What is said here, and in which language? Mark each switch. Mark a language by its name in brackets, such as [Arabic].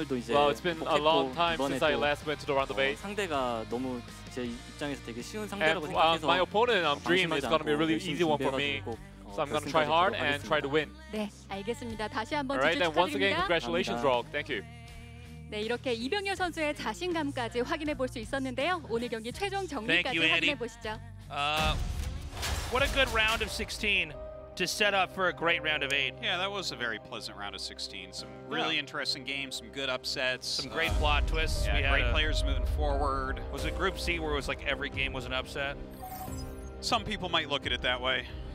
[English] Well, it's been a long time since I last went to the round of eight. [Korean] 상대가 너무 제 입장에서 되게 쉬운 상대라고 생각해서 [English] My opponent, Dream, is going to be a really easy one for me. So I'm going to try hard and try to win. [Korean] 네, 알겠습니다. 다시 한번 [English] All right, then once again, congratulations, Rogue. Thank you. [Korean] 네, 이렇게 이병렬 선수의 자신감까지 확인해 볼 수 있었는데요. 오늘 경기 최종 정리까지 확인해 보시죠. [English] What a good round of 16 to set up for a great round of 8. Yeah, that was a very pleasant round of 16. Some really interesting games, some good upsets. Some great plot twists. Yeah, we had great players moving forward. Was it Group C where it was like every game was an upset? Some people might look at it that way.